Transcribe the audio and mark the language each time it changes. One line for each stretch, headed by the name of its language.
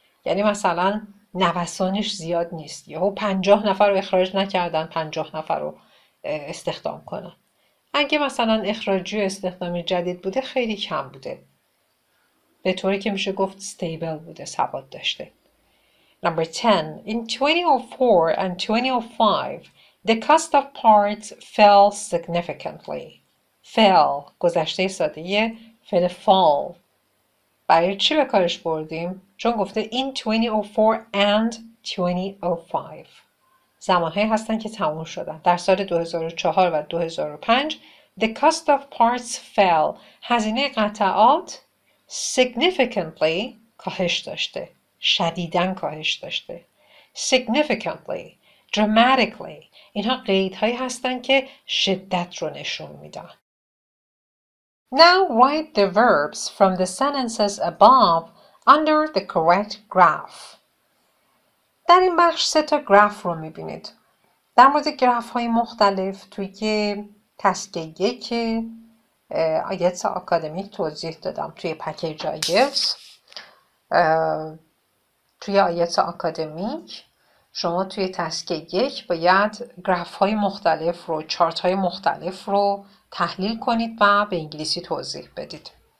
Persian: یعنی مثلا نوسانش زیاد نیست. یه 50 نفر رو اخراج نکردن 50 نفر رو استخدام کنن. اگه مثلا اخراجی و استخدامی جدید بوده خیلی کم بوده. به طوری که میشه گفت stable بوده، ثبات داشته.
English: Number 10. In 2004 and 2005 the cost of parts fell significantly. Fell.
Persian: گذشته سادهیه.
English: Fell fall.
Persian: برای چی به کارش بردیم؟ چون گفته
English: in 2004 and 2005.
Persian: زمانهایی هستن که تموم شدن. در سال 2004 و 2005
English: the cost of parts fell.
Persian: هزینه قطعات significantly کاهش داشته. شدیداً کاهش داشته.
English: Significantly, dramatically.
Persian: اینها قیدهایی هستن که شدت رو نشون میدن.
English: Now write the verbs from the sentences above under the correct graph.
Persian: در این بخش سه تا گراف رو میبینید. در مورد گراف های مختلف توی که تسکه یک آیت آکادمیک توضیح دادم توی پکیج آیت. توی آیت آکادمیک شما توی تسکه یک باید گراف های مختلف رو، چارت های مختلف رو تحلیل کنید و به انگلیسی توضیح بدید.